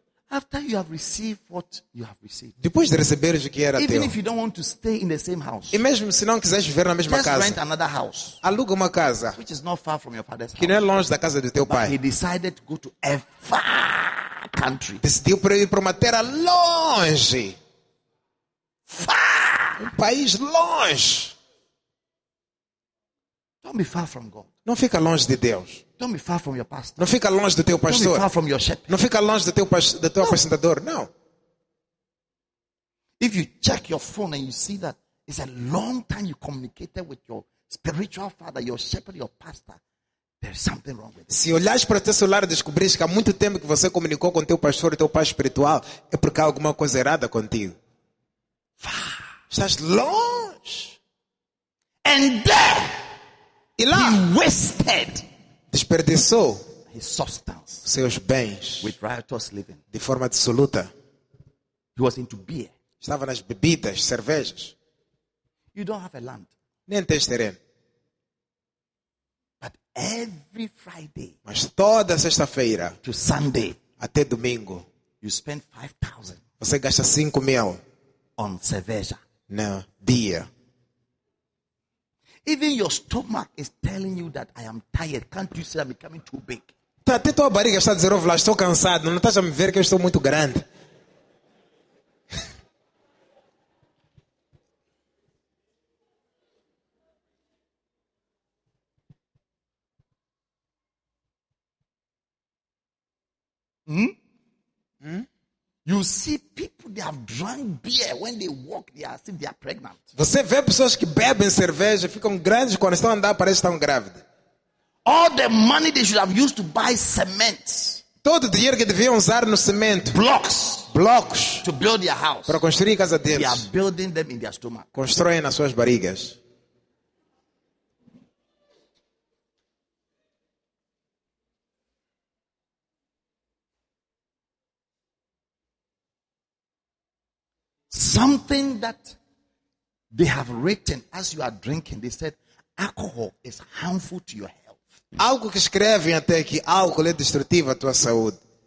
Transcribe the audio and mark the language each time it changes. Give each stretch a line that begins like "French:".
English: After you have received what you have received.
Portuguese: Depois de receberes o que era
English: even
Portuguese: teu.
English: Even if you don't want to stay in the same house.
Portuguese: E mesmo se não quiseres viver na mesma
English: just
Portuguese: casa.
English: Just rent another house.
Portuguese: Aluga uma casa.
English: Which is not far from your father's
Portuguese: que
English: house.
Portuguese: Que não é longe da casa do teu
English: but
Portuguese: pai.
English: He decided to go to a far country.
Portuguese: Decidiu para ir para uma terra longe.
English: Far.
Portuguese: Um país longe.
English: Don't be far from God.
Portuguese: Não fica longe de Deus.
English: Don't be far from your pastor.
Portuguese: Não fica longe do teu pastor.
English: Don't be far from your shepherd.
Portuguese: Não fica longe do teu apresentador. Não.
English: If you check your phone and you see that it's a long time you communicated with your spiritual father, your shepherd, your pastor, there's something wrong with it.
Portuguese: Se olhares para o teu celular e descobrires que há muito tempo que você comunicou com teu pastor e teu pai espiritual, é porque há alguma coisa errada contigo.
English: Far.
Portuguese: Estás longe.
English: And there.
Portuguese: E lá,
English: he wasted
Portuguese: desperdiçou
English: his substance
Portuguese: seus bens
English: with riotous living.
Portuguese: De forma absoluta.
English: He was into beer.
Portuguese: Estava nas bebidas, cervejas.
English: You don't have a land.
Portuguese: Nem tens terreno.
English: But every Friday,
Portuguese: mas toda sexta-feira
English: to Sunday,
Portuguese: até domingo
English: you spend 5,000
Portuguese: você gasta 5 mil
English: on cerveja. No beer. Even your stomach is telling you that I am tired. Can't you see I'm becoming too big?
Portuguese: Até tua barriga está dizendo, vlá, estou cansado. Não estás a me ver que eu estou muito grande.
English: You see people they have drunk beer when they walk they are as if they are pregnant.
Portuguese: Você vê pessoas que bebem cerveja, ficam grandes quando estão a andar, parece que estão grávidas.
English: All the money they should have used to buy cement.
Portuguese: Todo o dinheiro que deviam usar no cimento.
English: Blocks.
Portuguese: Blocos.
English: To build their house.
Portuguese: Para construir a casa deles.
English: They are building them in their stomach.
Portuguese: Constroem nas suas barrigas.
English: Something that they have written as you are drinking, they said, alcohol is harmful to your health.
Portuguese: Algo que escrevem até aqui, álcool é destrutivo à tua saúde.